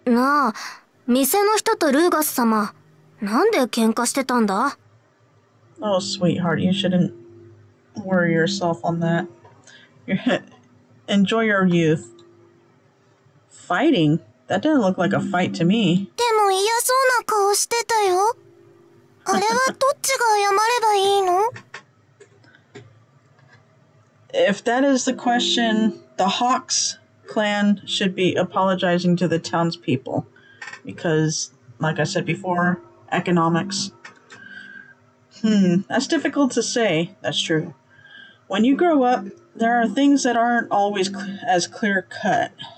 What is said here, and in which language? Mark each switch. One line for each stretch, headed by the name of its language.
Japanese: なあ、店の人とルーガス様、なんで喧嘩してたんだ?
English: Oh, sweetheart, you shouldn't worry yourself on that. Enjoy your youth. Fighting? That didn't look like a fight to me.
Japanese: でも嫌そうな顔してたよ。あれはどっちが謝ればいいの?
English: If that is the question, the Hawks clan should be apologizing to the townspeople. Because, like I said before, economics. That's difficult to say. That's true. When you grow up, there are things that aren't always as clear cut.